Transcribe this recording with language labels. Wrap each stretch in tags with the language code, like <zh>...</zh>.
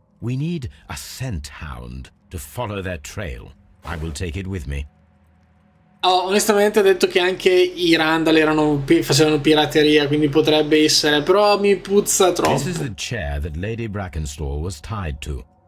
<en>We need a scent hound to follow their trail. I will take it with me.</en> <it>Oh, onestamente ha detto che anche i Randall erano, facevano pirateria, quindi potrebbe essere, però mi puzza troppo.</it> <en>This is the chair that Lady Brackenstall was tied to.</en>